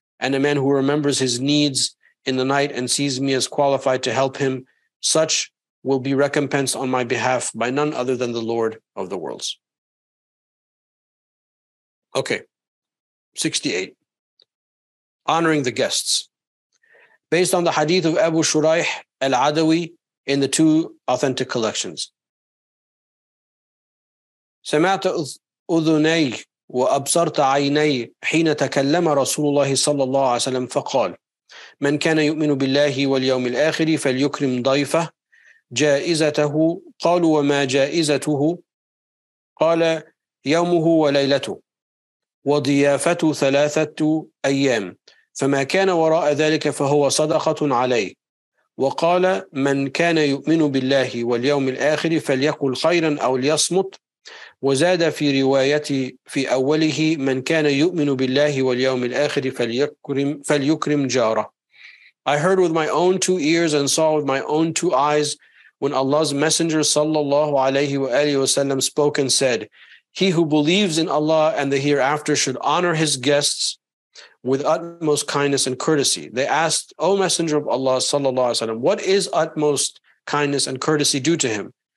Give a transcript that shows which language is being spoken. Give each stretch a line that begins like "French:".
English: and a man who remembers his needs in the night and sees me as qualified to help him, such will be recompensed on my behalf by none other than the Lord of the worlds. Okay, 68. Honoring the guests. Based on the hadith of Abu Shuraih al-Adawi in the two authentic collections.
Arabic: سمعت أذني وأبصرت عيني حين تكلم رسول الله صلى الله عليه وسلم فقال من كان يؤمن بالله واليوم الآخر فليكرم ضيفه جائزته قالوا وما جائزته قال يومه وليلته وضيافته ثلاثة أيام فما كان وراء ذلك فهو صدقة عليه وقال من كان يؤمن بالله واليوم الآخر فليقل خيرا أو ليصمت وزاد في رواية في أوله من كان يؤمن بالله واليوم الآخر فليكرم جاره.
English: I heard with my own two ears and saw with my own two eyes when Allah's Messenger sallallahu alayhi wa alihi wasallam spoke and said, he who believes in Allah and the hereafter should honor his guests with utmost kindness and courtesy. They asked, O Messenger of Allah sallallahu alayhi wa sallam, what is utmost kindness and courtesy due to him?